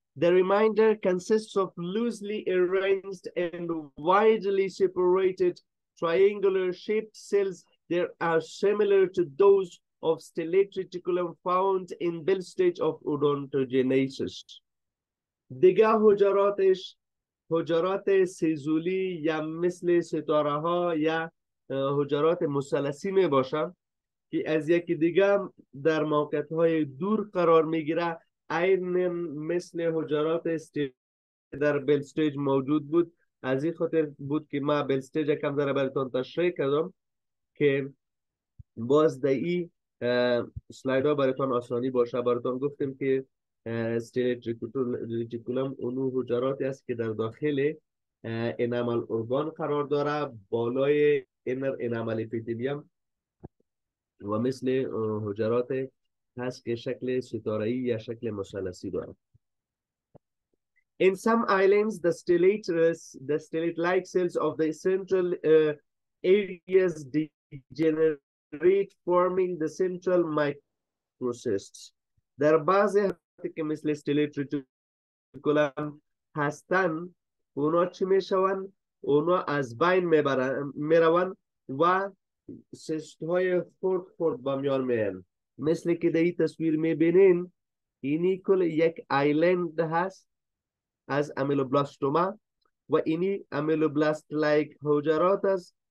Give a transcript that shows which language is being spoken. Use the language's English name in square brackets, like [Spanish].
[English] The remainder consists of loosely arranged and widely separated triangular shaped cells. They are similar to those of stellate reticulum found in bell stage of odontogenesis. [Persian] دیگه حجراتش حجرات سیزولی یا مثل ستاره ها یا حجرات مثلثی می باشن که از یکی دیگه در موقعیت های دور قرار می گیره، عین مثل حجرات در بل استیج موجود بود. از این خاطر بود که ما بل استیج کم ذره براتون تشریح کردم که باز در این سلاید ها براتون آسانی باشه. براتون گفتیم که استیلیت ریتیکولم اونو حجراتی است که در داخل انامل ارگان قرار داره، بالای اینر انامل اپیتیلیم و مثل حجرات هست که شکل ستارهی یا شکل مثلثی دارد. [English] In some islands, the stellate-like cells of the central areas degenerate, forming the central microcysts. [Persian] در بعضی هستی که مثل stellate reticulum هستن، اونا چی می شون؟ اونا از بین می روان و سیست های خورد خورد بمیان می هن. مثل که در این تصویر می بینین، اینی کل یک آیلند هست از امیلوبلاستوما و اینی امیلوبلاست لایک حجرات است.